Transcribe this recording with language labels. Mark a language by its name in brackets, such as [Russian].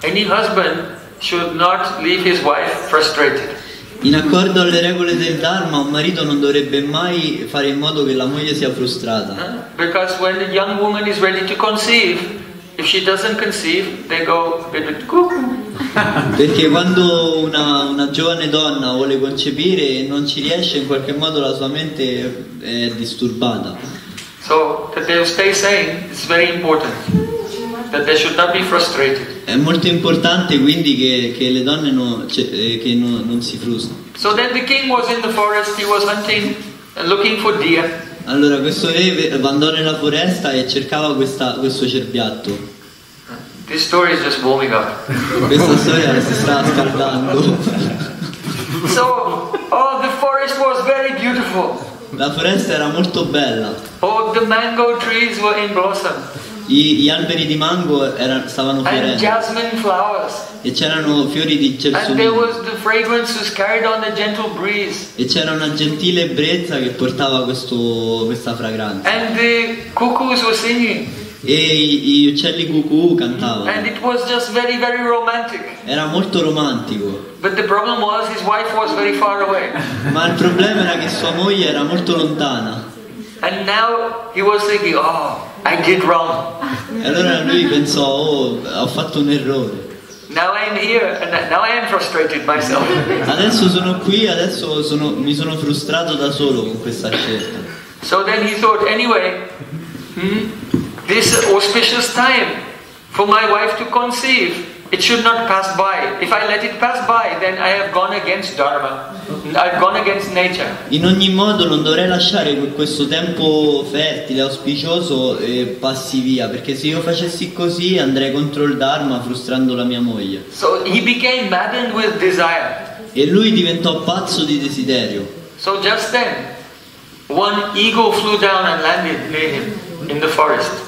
[English] Any husband should not leave his wife frustrated. [Italian] In accordo alle regole del Dharma, un marito non dovrebbe mai fare in modo che la moglie sia frustrata. [English] Because when a young woman is ready to conceive, if she doesn't conceive, they go cuckoo. [Italian] Perché quando una giovane donna vuole concepire e non ci riesce, in qualche modo la sua mente è disturbata. [English] So that they stay sane is very important. That they should not be frustrated. [Italian] È molto importante quindi che le donne non, che non si frustrano. [English] So then the king was in the forest, he was hunting and looking for deer. [Italian] Allora questo re andò nella foresta e cercava questo cerbiatto. [English] This story is just warming up. [Italian] Questa storia si sta scaldando. [English] So, the forest was very beautiful. [Italian] La foresta era molto bella. [English] Oh, the mango trees were in blossom. [Italian] gli alberi di mango stavano fiorendo. [English] Jasmine flowers. [Italian] E c'erano fiori di gelsomino. [English] And there was the fragrance was carried on the gentle breeze. [Italian] E c'era una gentile brezza che portava questa fragranza. [English] And the cuckoos were singing. [Italian] E gli uccelli cucù cantavano. [English] And it was just very, very romantic. [Italian] Era molto romantico. [English] But the problem was his wife was very far away. [Italian] Ma il problema era che sua moglie era molto lontana. [English] And now he was thinking, oh, I did wrong. [Italian] E allora lui pensò, oh, ho fatto un errore. [English] Now I am here and now I am frustrated myself. [Italian] Adesso sono qui, adesso mi sono frustrato da solo con questa scelta. [English] So then he thought, anyway, this auspicious time for my wife to conceive, it should not pass by. If I let it pass by, then I have gone against Dharma. I've gone against nature. [Italian] In ogni modo non dovrei lasciare questo tempo fertile, auspicioso e passi via, perché se io facessi così andrei contro il Dharma frustrando la mia moglie. [English] So he became maddened with desire. [Italian] E lui diventò pazzo di desiderio. [English] So just then, one eagle flew down and landed near him in the forest.